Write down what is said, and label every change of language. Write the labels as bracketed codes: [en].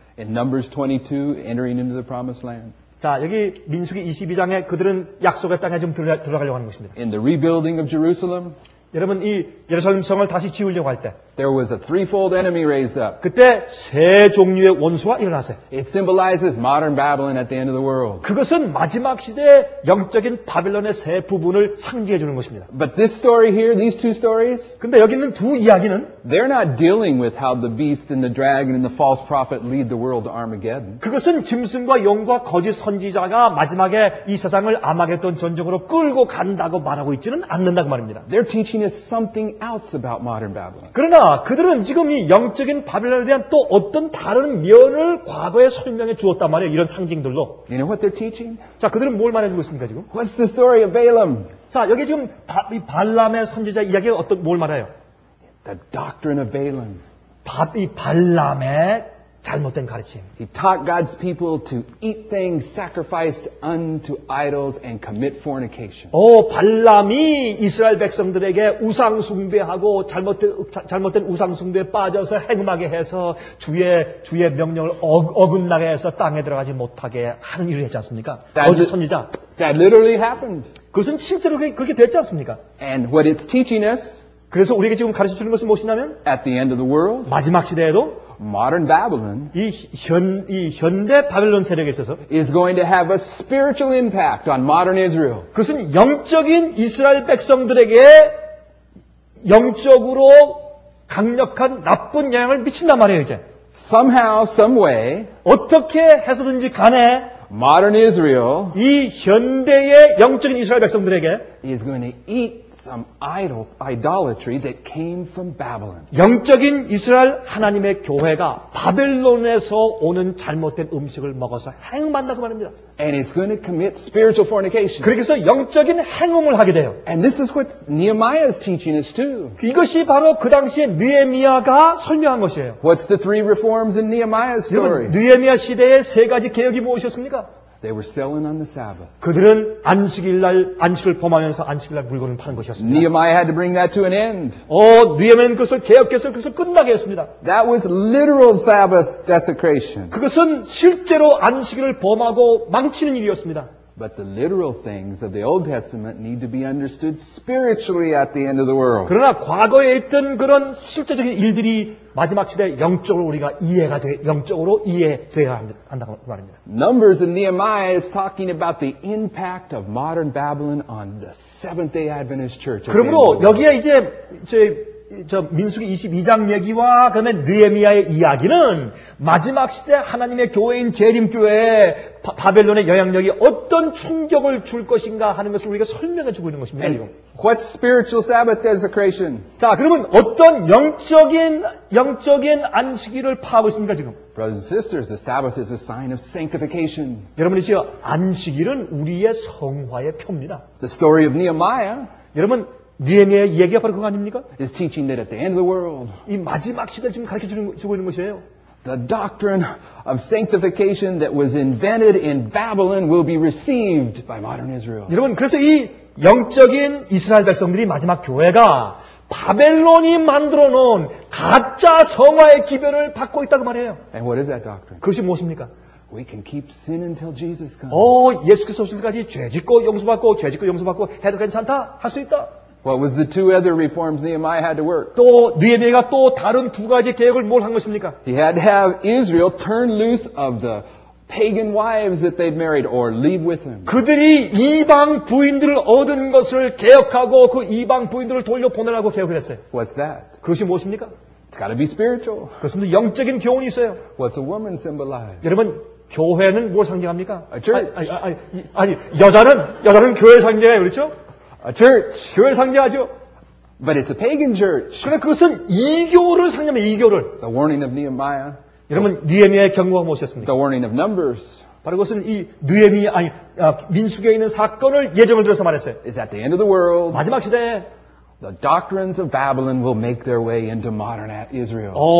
[en] In Numbers 22 entering into the promised land. [ko] 자, 여기 민수기 22장에 그들은 약속의 땅에 좀 들어가려고 하는 것입니다. [en] In the rebuilding of Jerusalem. [ko] 여러분 이 예루살렘 성을 다시 지으려고 할 때 [en] There was a threefold enemy raised up. [ko] 그때 세 종류의 원수가 일어나세요. [en] It symbolizes modern Babylon at the end of the world. [ko] 그것은 마지막 시대의 영적인 바빌론의 세 부분을 상징해 주는 것입니다. [en] But this story here, these two stories, [ko] 근데 여기 있는 두 이야기는 [en] they're not dealing with how the beast and the dragon and the false prophet lead the world to Armageddon. [ko] 그것은 짐승과 용과 거짓 선지자가 마지막에 이 세상을 아마겟돈 전쟁으로 끌고 간다고 말하고 있지는 않는다고 말입니다. [en] They're teaching us something else about modern Babylon. [ko] 그들은 지금 이 영적인 바벨론에 대한 또 어떤 다른 면을 과거에 설명해 주었단 말이에요. 이런 상징들로. [en] You know what they're teaching? [ko] 자, 그들은 뭘 말해 주고 있습니까, 지금? [en] What's the story of Balaam? [ko] 자, 여기 지금 이 발람의 선지자 이야기가 어떤 뭘 말해요? [en] The doctrine of Balaam. [ko] 이 발람의 잘못된 가르침. [en] He taught God's people to eat things sacrificed unto idols and commit fornication. [ko] 오, 발람이 이스라엘 백성들에게 우상 숭배하고 잘못된 우상 숭배에 빠져서 행음하게 해서 주의 명령을 어긋나게 해서 땅에 들어가지 못하게 하는 일을 했지 않습니까? 거짓 선지자. [en] That literally happened. [ko] 그것은 실제로 그렇게 됐지 않습니까? [en] And what it's teaching us? [ko] 그래서 우리에게 지금 가르쳐 주는 것은 무엇이냐면? [en] At the end of the world. [ko] 마지막 시대에도. [en] Modern Babylon [ko] 이 현대 바벨론 세력에 있어서 [en] is going to have a spiritual impact on modern Israel. [ko] 그것은 영적인 이스라엘 백성들에게 영적으로 강력한 나쁜 영향을 미친단 말이에요, 이제. [en] Somehow, some way [ko] 어떻게 해서든지 간에 [en] Modern Israel, [ko] 이 현대의 영적인 이스라엘 백성들에게 [en] is going to eat some idol, idolatry that came from Babylon. [ko] 영적인 이스라엘 하나님의 교회가 바벨론에서 오는 잘못된 음식을 먹어서 행음한다고 말합니다. [en] And it's going to commit spiritual fornication. [ko] 그래서 영적인 행음을 하게 돼요. [en] And this is what Nehemiah's teaching is too. [ko] 이것이 바로 그 당시에 느헤미야가 설명한 것이에요. [en] What's the three reforms in Nehemiah's story? [ko] 여러분, 느헤미야 시대의 세 가지 개혁이 무엇이었습니까? [en] They were selling on the Sabbath. [ko] 그들은 안식일날 안식을 범하면서 안식일날 물건을 파는 것이었습니다. [en] Nehemiah had to bring that to an end. [ko] 느헤미야는 그것을 개혁해서 그것을 끝나게 했습니다. [en] That was literal Sabbath desecration. [ko] 그것은 실제로 안식일을 범하고 망치는 일이었습니다. [en] But the literal things of the Old Testament need to be understood spiritually at the end of the world. [ko] 그러나 과거에 있던 그런 실제적인 일들이 마지막 시대 영적으로 우리가 이해가 돼 영적으로 이해돼야 한다고 말합니다. [en] Numbers and Nehemiah is talking about the impact of modern Babylon on the Seventh-day Adventist Church. [ko] 그러므로 여기에 이제 저 민수기 22장 얘기와 그다음에 느헤미야의 이야기는 마지막 시대 하나님의 교회인 재림교회에 바벨론의 영향력이 어떤 충격을 줄 것인가 하는 것을 우리가 설명해 주고 있는 것입니다. [en] What spiritual Sabbath desecration? [ko] 자, 그러면 어떤 영적인 안식일을 파하고 있습니까 지금? [en] Brothers and sisters, the Sabbath is a sign of sanctification. [ko] 여러분이시여, 안식일은 우리의 성화의 표입니다. [en] The story of Nehemiah. [ko] 여러분. 느헤미야의 이야기가 바로 그거 아닙니까? [en] Is teaching that at the end of the world. [ko] 이 마지막 시대를 지금 가르쳐주고 있는 것이에요. [en] The doctrine of sanctification that was invented in Babylon will be received by modern Israel. [ko] 여러분, 그래서 이 영적인 이스라엘 백성들이 마지막 교회가 바벨론이 만들어 놓은 가짜 성화의 기별을 받고 있다고 말해요. [en] And what is that doctrine? [ko] 그것이 무엇입니까? [en] We can keep sin until Jesus comes. [ko] 예수께서 오실 때까지 죄짓고 용서받고 해도 괜찮다 할 수 있다. [en] What was the two other reforms Nehemiah had to work? [ko] 또 느헤미야가 또 다른 두 가지 개혁을 뭘 한 것입니까? [en] He had to have Israel turn loose of the pagan wives that they'd married or leave with him. [ko] 그들이 이방 부인들을 얻은 것을 개혁하고 그 이방 부인들을 돌려보내라고 개혁을 했어요. [en] What's that? [ko] 그것이 무엇입니까? [en] It's got to be spiritual. [ko] 그것은 영적인 교훈이 있어요. [en] What's a woman symbolize? [ko] 여러분 교회는 뭘 상징합니까? [en] A church. [ko] 아니 여자는 교회 상징해요, 그렇죠? [en] A church. [ko] 교회를 상징하죠. [en] But it's a pagan church. [ko] 그러나 그것은 이교를 상징합니다. 이교를. [en] The warning of Nehemiah. [ko] 여러분, 느헤미야의 경고가 무엇이었습니까? [en] The warning of Numbers. [ko] 바로 그것은 이 느헤미야 아니 민수기에 있는 사건을 예정을 들어서 말했어요. [en] Is at the end of the world. [ko] 마지막 시대에. [en] The doctrines of Babylon will make their way into modern Israel.